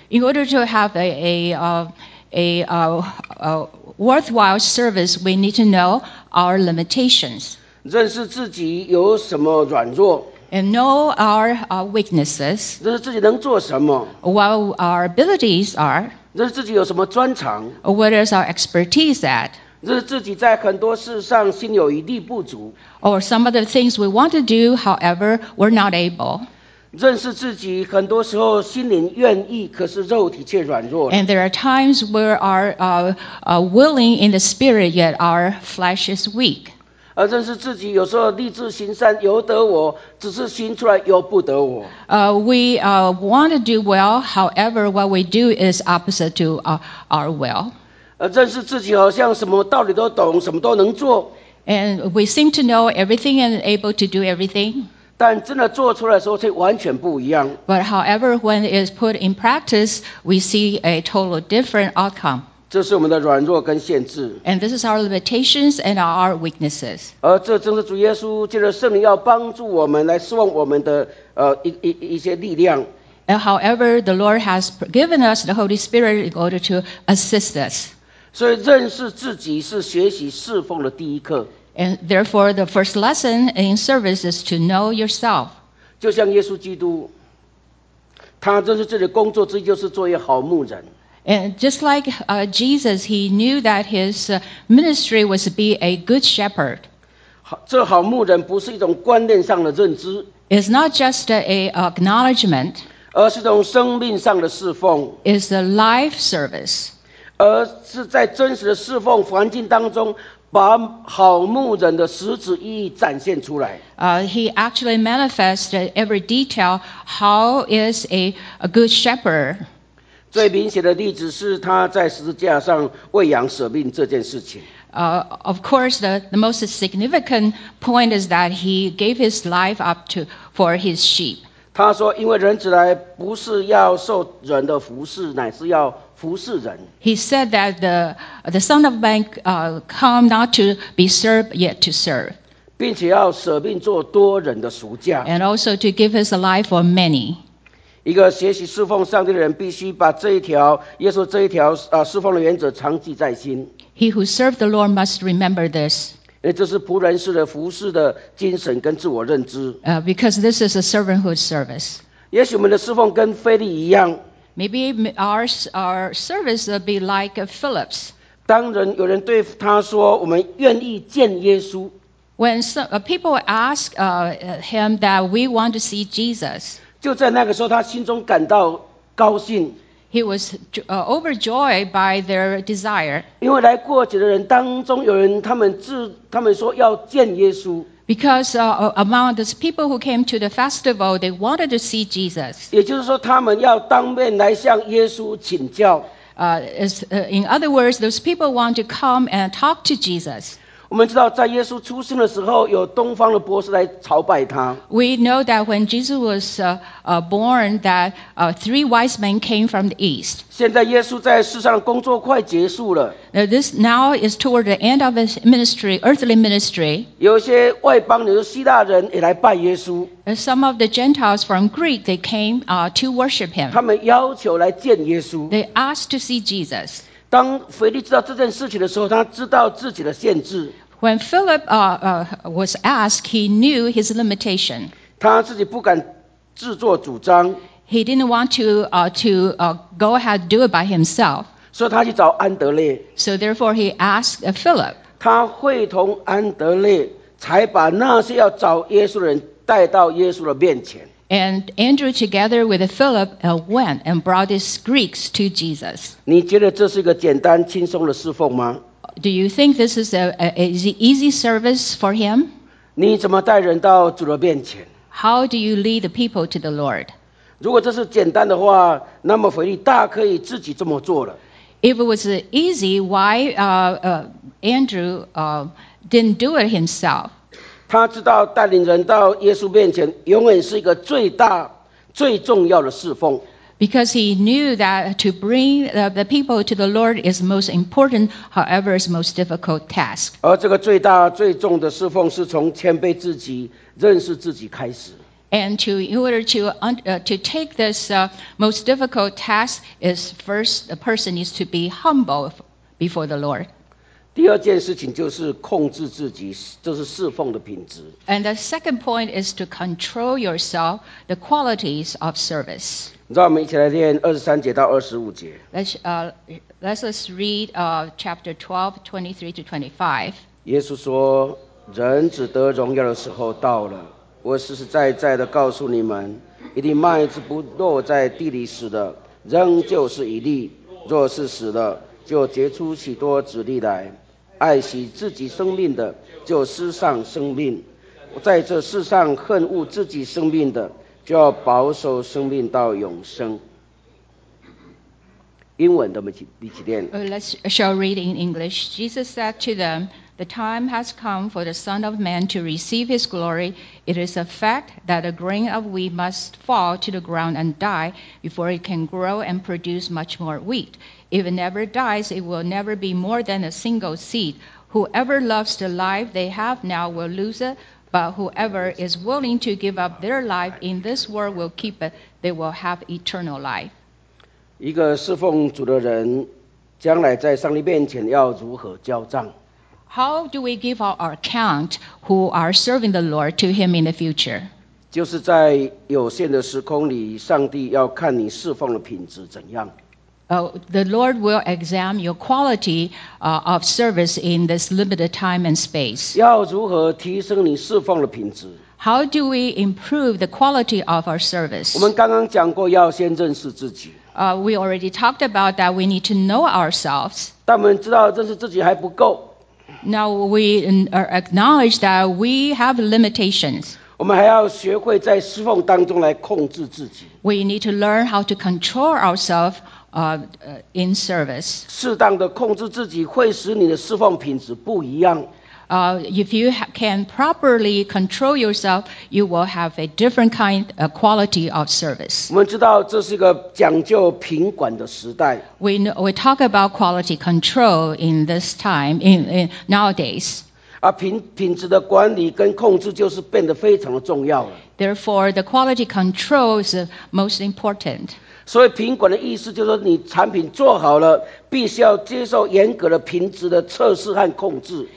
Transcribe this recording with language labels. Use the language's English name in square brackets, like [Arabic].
[English] In order to have a worthwhile service, we need to know our limitations. [Chinese] 认识自己有什么软弱。 [English] And know our weaknesses. [Chinese] 认识自己能做什么。 [English] What our abilities are. [Chinese] 认识自己有什么专长。 [English] What is our expertise at? [Chinese] 认识自己在很多事上心有余力不足。 [English] Or some of the things we want to do, however, we're not able. [Chinese] 认识自己很多时候心灵愿意，可是肉体却软弱。 [English] And there are times where our willing in the spirit, yet our flesh is weak. [Chinese] 而认识自己有时候立志行善由得我，只是行出来由不得我。 [English] We want to do well, however, what we do is opposite to our will. [Chinese] 认识自己好像什么道理都懂，什么都能做。 [English] And we seem to know everything and able to do everything. [Chinese] 但真的做出来的时候却完全不一样。 [English] But however, when it is put in practice, we see a total different outcome. [Chinese] 这是我们的软弱跟限制。 [English] And this is our limitations and our weaknesses. [Chinese] 而这正是主耶稣借着圣灵要帮助我们来释放我们的一些力量。 [English] And however, the Lord has given us the Holy Spirit in order to assist us. [Chinese] 所以认识自己是学习侍奉的第一课。 [English] And therefore, the first lesson in service is to know yourself. [Chinese] 就像耶稣基督，他认识自己的工作之一就是做一个好牧人。 [English] And just like Jesus, he knew that his ministry was to be a good shepherd. [Chinese] 这好牧人不是一种观念上的认知。 [English] It's not just an acknowledgement. [Chinese] 而是从生命上的侍奉 [English] is a life service [Chinese] 而是在真实的侍奉环境当中把好牧人的实质意义展现出来 [English] He actually manifested every detail how is a good shepherd [Chinese] 最明显的例子是他在十字架上为羊舍命这件事情 [English] Of course, the most significant point is that he gave his life up for his sheep [Chinese] 他说因为人子来不是要受人的服侍乃是要服侍人 [English] He said that the Son of Man come not to be served yet to serve [Chinese] 并且要舍命做多人的赎价 [English] And also to give his life for many [Chinese] 一个学习侍奉上帝的人必须把这一条耶稣这一条侍奉的原则长记在心 [English] He who served the Lord must remember this [Chinese] 这是仆人式的服侍的精神跟自我认知。 [English] Because this is a servanthood service. [Chinese] 也许我们的侍奉跟腓力一样。 [English] Maybe our service will be like Philip's. [Chinese] 当人有人对他说我们愿意见耶稣。 [English] When people ask him that we want to see Jesus. [Chinese] 就在那个时候他心中感到高兴。 [English] He was overjoyed by their desire. [Chinese] 因为来过节的人当中有人他们说要见耶稣。 [English] Because among those people who came to the festival, they wanted to see Jesus. [Chinese] 也就是说他们要当面来向耶稣请教。 [English] In other words, those people want to come and talk to Jesus. [Chinese] 我们知道在耶稣出生的时候有东方的博士来朝拜他 [English] We know that when Jesus was born that three wise men came from the east [Chinese] 现在耶稣在世上的工作快结束了 [English] Now this now is toward the end of his ministry, earthly ministry [Chinese] 有些外邦人希腊人也来拜耶稣 [English] Some of the Gentiles from Greece, they came to worship him [Chinese] 他们要求来见耶稣 [English] They asked to see Jesus [Chinese] 当腓力知道这件事情的时候他知道自己的限制 [English] When Philip was asked, he knew his limitation [Chinese] 他自己不敢自作主张 [English] He didn't want to go ahead and do it by himself [Chinese] 所以他去找安德烈 [English] So therefore he asked Philip [Chinese] 他会同安德烈才把那些要找耶稣的人带到耶稣的面前 [English] And Andrew together with Philip went and brought these Greeks to Jesus. [Chinese] 你觉得这是一个简单轻松的侍奉吗 [English] Do you think this is an easy service for him? [Chinese] 你怎么带人到主的面前 [English] How do you lead the people to the Lord? [Chinese] 如果这是简单的话那么腓力大可以自己这么做了 [English] If it was easy, why Andrew didn't do it himself? [Chinese] 他知道带领人到耶稣面前永远是一个最大最重要的侍奉 [English] Because he knew that to bring the people to the Lord is most important however is most difficult task [Chinese] 而这个最大最重的侍奉是从谦卑自己认识自己开始 [English] And to, in order to, to take this most difficult task, is first a person needs to be humble before the Lord. [Chinese] 第二件事情就是控制自己，这是侍奉的品质。 [English] And the second point is to control yourself, the qualities of service. [Chinese] 让我们一起来念二十三节到二十五节。 [English] Let's read chapter 12:23-25. [Chinese] 耶稣说：“人只得荣耀的时候到了。我实实在在的告诉你们，一粒麦子不落在地里死的，仍旧是一粒；若是死的，就结出许多子粒来。爱惜自己生命的，就失丧生命；在这世上恨恶自己生命的，就要保守生命到永生。” 英文的我们一起念。 [English] Let's shall read in English. Jesus said to them, "The time has come for the Son of Man to receive His glory. It is a fact that a grain of wheat must fall to the ground and die before it can grow and produce much more wheat." If it never dies, it will never be more than a single seed. Whoever loves the life they have now will lose it, but whoever is willing to give up their life in this world will keep it. They will have eternal life. [Chinese] 一个侍奉主的人将来在上帝面前要如何交账？ [English] How do we give our account who are serving the Lord to Him in the future? [Chinese] 就是在有限的时空里，上帝要看你侍奉的品质怎样。 [English] The Lord will examine your quality of service in this limited time and space. [Chinese] 要如何提升你侍奉的品质？ [English] How do we improve the quality of our service? [Chinese] 我们刚刚讲过要先认识自己。 [English] We already talked about that we need to know ourselves. [Chinese] 但我们知道认识自己还不够。 [English] Now we acknowledge that we have limitations. [Chinese] 我们还要学会在侍奉当中来控制自己。 [English] We need to learn how to control ourselves in service. [Chinese] 适当的控制自己会使你的侍奉品质不一样。 [English] If you can properly control yourself, you will have a different kind of quality of service. [Chinese] 我们知道这是一个讲究品管的时代。 [English] We talk about quality control in this time, in nowadays. [Chinese] 品质的管理跟控制就是变得非常的重要了。 [English] Therefore, the quality control is most important. [Chinese] 所以品管的意思就是说你产品做好了，必须要接受严格的品质的测试和控制。